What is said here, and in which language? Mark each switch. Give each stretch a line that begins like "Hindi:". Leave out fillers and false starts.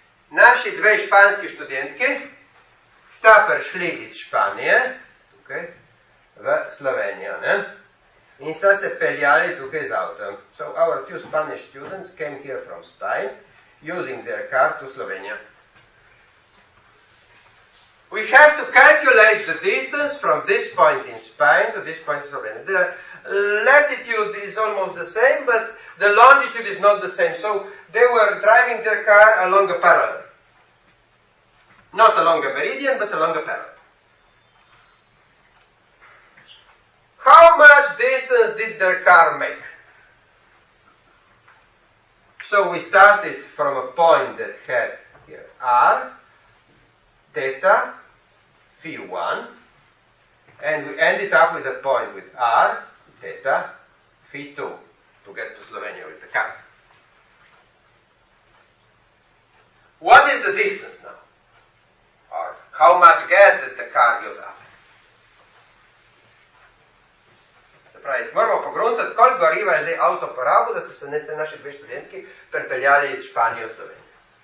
Slovenian: Naši dve španski študentki sta prišli iz Španije, tukaj, v Slovenijo, ne? In sta se peljali tukaj z avtom.
English: So our two Spanish students came here from Spain, using their car to Slovenia. We have to calculate the distance from this point in Spain to this point in Slovenia. The latitude is almost the same, but the longitude is not the same. So they were driving their car along a parallel. Not along a meridian, but along a parallel. How much distance did their car make? So we started from a point that had here R, theta, phi 1, and we ended up with a point with R, theta, phi 2, to get to Slovenia with the car. What is the distance now? Or how much gas did the car use up?
Slovenian: Pravi, moramo pogruntati, koliko goriva je zdaj avto porabo, da so se ne te naše dve študentki prepeljali iz Španije v Slovenijo.